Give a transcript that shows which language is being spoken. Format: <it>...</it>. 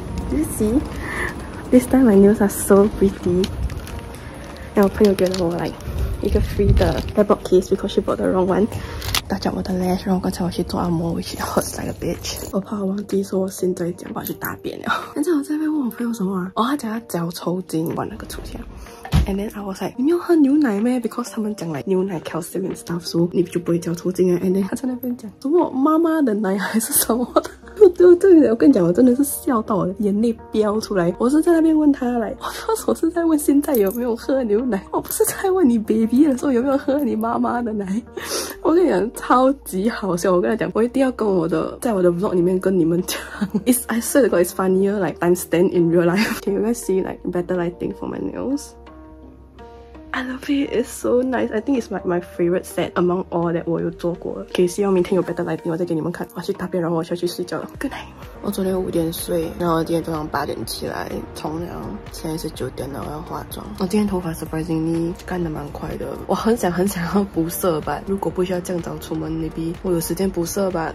<en>You see, this time my nails are so pretty.</en> <zh>然后我朋友给了我 like 一个 free 的 laptop case because she bought the wrong one. 打掉我的 lash， 然后刚才我去做按摩 ， which hurts like a bitch. 我怕我忘记说我现在讲话去大便了。现在我在被问我朋友什么啊？哦，他讲他脚抽筋，玩那个抽筋。 And then I was like, 你没有喝牛奶咩 ？Because 他们讲 like 牛奶 calcium and stuff，所以你就不会脚抽筋啊。 And then 他在那边讲什么妈妈的奶还是什么的。对，我跟你讲，我真的是笑到我眼泪飙出来。我是在那边问他来，我是在问现在有没有喝牛奶，我不是在问你 baby 的时候有没有喝你妈妈的奶。我跟你讲，超级好笑。我跟他讲，我一定要跟我的在我的 vlog 里面跟你们讲。</zh> <en>It's I swear to God, it's funnier like than stand in real life. Can you guys see like better lighting for my nails? I love it. It's so nice. I think it's my favorite set among all that 我有做过。</en> <zh>可以希望明天有 better lighting，我再给你们看。我去大便，然后我下去睡觉了。 Good night. 我昨天5点睡，然后今天早上8点起来冲凉，现在是9点了，我要化妆。我今天头发 surprisingly 干得蛮快的。我很想很想要补色吧，如果不需要这样早出门 ，maybe 我有时间补色吧。</zh>